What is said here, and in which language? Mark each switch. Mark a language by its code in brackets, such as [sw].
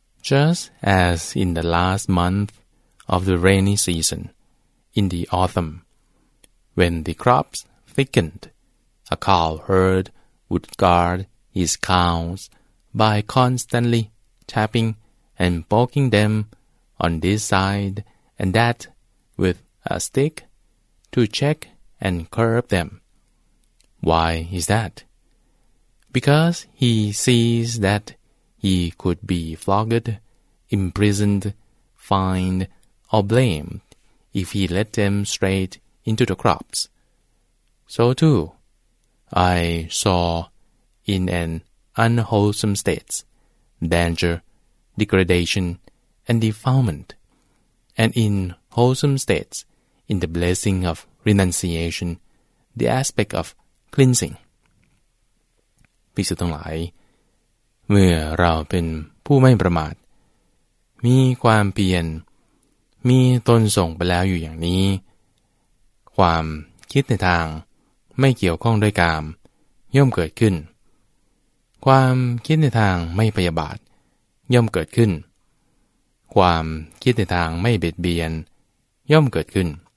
[en] Just as in the last month of the rainy season in the autumn, when the crops thickened, a cow herd would guard his cows by constantly tapping and poking them on this side and that with a stick to check and curb them. Why is that? Because he sees that he could be flogged, imprisoned, fined, or blamed if he let them straight into the crops. So too, I saw in an unwholesome state danger, degradation, and defilement, and in wholesome states in the blessing of renunciation, the aspect of cleansing. [th] ภิกษุทั้งหลายเมื่อเราเป็นผู้ไม่ประมาทมีความเพียรมีตนส่งไปแล้วอยู่อย่างนี้ความคิดในทางไม่เกี่ยวข้องด้วยกามย่อมเกิดขึ้นความคิดในทางไม่พยาบาทย่อมเกิดขึ้นความคิดในทางไม่เบียดเบียนย่อมเกิดขึ้น